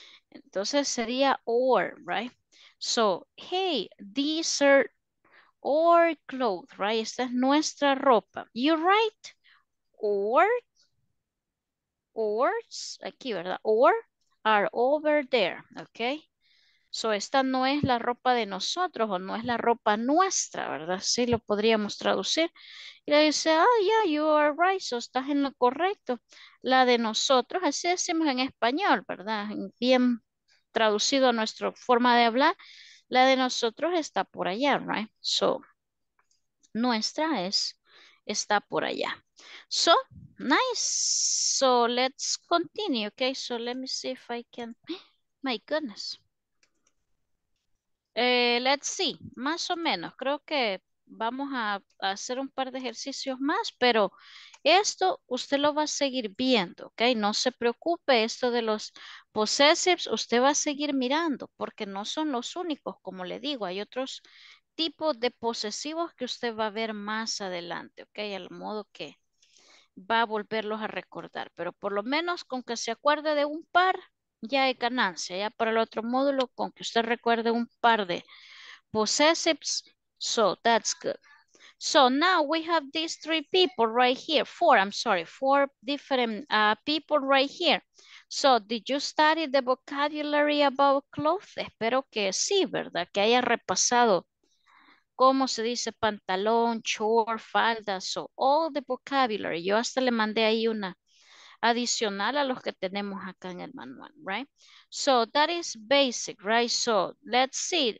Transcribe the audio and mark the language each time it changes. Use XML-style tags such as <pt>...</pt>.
<es>Entonces sería</es> <en>or, right? So, hey, these are our clothes, right?</en> <es>Esta es nuestra ropa.</es> <en>You're right. Ors,</en> <es>aquí, ¿verdad?</es> <en>Or are over there, okay?</en> <es>So, esta no es la ropa de nosotros o no es la ropa nuestra, ¿verdad? Sí, lo podríamos traducir. Y le dice,</es> <en>oh, yeah, you are right.</en> <es>So, estás en lo correcto. La de nosotros, así decimos en español, ¿verdad? Bien traducido a nuestra forma de hablar, la de nosotros está por allá, right? So, nuestra es, está por allá.</es> <en>So, nice. So, let's continue, okay? So, let me see if I can, my goodness. Let's see,</en> <es>más o menos, creo que vamos a hacer un par de ejercicios más, pero esto usted lo va a seguir viendo, ¿ok? No se preocupe, esto de los possessives, usted va a seguir mirando, porque no son los únicos, como le digo, hay otros tipos de posesivos que usted va a ver más adelante, ¿ok? Al modo que va a volverlos a recordar, pero por lo menos con que se acuerde de un par, ya hay ganancia, ya para el otro módulo, con que usted recuerde un par de possessives,</es> <en>so that's good. So now we have these three people right here. Four different people right here. So did you study the vocabulary about clothes?</en> <es>Espero que sí, ¿verdad? Que haya repasado cómo se dice pantalón, short, falda.</es> <en>So all the vocabulary.</en> <es>Yo hasta le mandé ahí una adicional a los que tenemos acá en el manual, right?</es> <en>So that is basic, right? So let's see.</en>